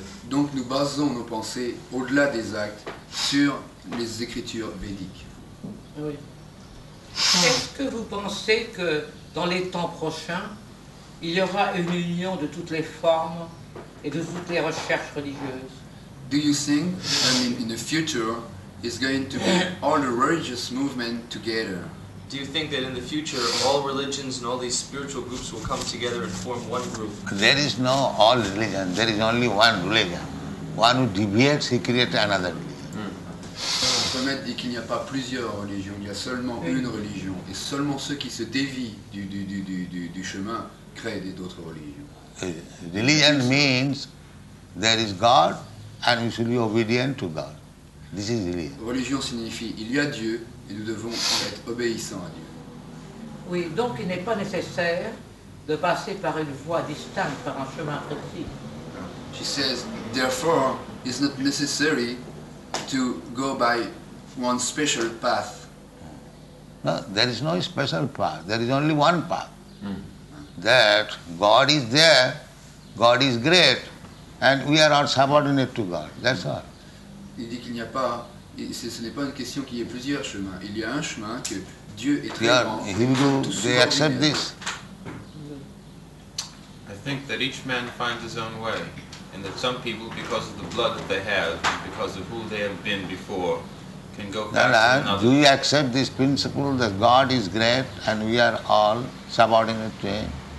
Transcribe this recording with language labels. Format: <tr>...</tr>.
<fr>Donc, nous basons nos pensées au-delà des actes sur les écritures védiques. Oui. Est-ce que vous pensez que dans les temps prochains, il y aura une union de toutes les formes et de toutes les recherches religieuses?</fr> <en>Do you think that in the future is going to be all the religious movement together? Do you think that in the future all religions and all these spiritual groups will come together and form one group? There is no all religion. There is only one religion. One who deviates, he creates another religion.</en> <fr>Mohammed dit qu'il n'y a pas plusieurs religions, il y a seulement une religion. Et seulement ceux qui se dévient du chemin créent d'autres religions.</fr> <en>Religion means there is God and we should be obedient to God. This is religion.</en> <fr>Religion signifie il y a Dieu et nous devons être obéissants à Dieu. Oui, donc il n'est pas nécessaire de passer par une voie distincte, par un chemin précis.</fr> <en>She says, therefore, it's not necessary to go by one special path. No, there is no special path. There is only one path. That God is there, God is great, and we are all subordinate to God. That's all.</en> <fr>Il dit qu'il n'y a pas, ce n'est pas une question qu'il y ait plusieurs chemins. Il y a un chemin que Dieu est très grand.</fr> <en>Yeah, Hindu, they accept this. I think that each man finds his own way, and that some people, because of the blood that they have, because of who they have been before, can go back to another. Do you accept this principle that God is great and we are all subordinate to Him?</en>